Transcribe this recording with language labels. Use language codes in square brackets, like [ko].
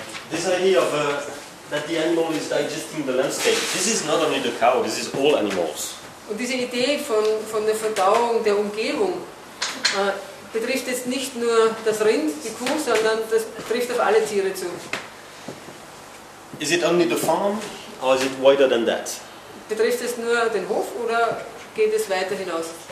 [en] This idea of that the animal is digesting the landscape. This is not only the cow. This is all animals. [de] Und diese Idee von der Verdauung der Umgebung betrifft jetzt nicht nur das Rind, die Kuh, sondern das trifft auf alle Tiere zu. [en] Is it only the farm, or is it wider than that? [de] Betrifft es nur den Hof oder geht es weiter hinaus?